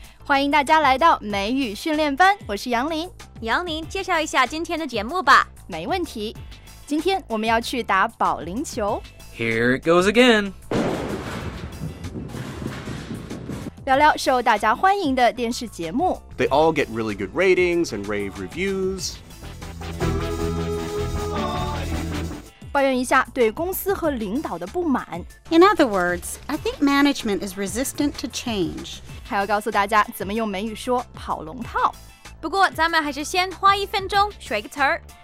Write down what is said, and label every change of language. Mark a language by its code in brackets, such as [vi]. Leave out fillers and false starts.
[zh] 欢迎大家来到美语训练班。我是杨林。杨林，介绍一下今天的节目吧。没问题。今天我们要去打保龄球。 [en] Here it goes again. [zh] 聊聊受大家欢迎的电视节目。 [en] They all get really good ratings and rave reviews. [zh] 抱怨一下对公司和领导的不满。 [en] In other words, I think management is resistant to change. [zh] 还要告诉大家怎么用美语说跑龙套。不过咱们还是先花一分钟学一个词儿。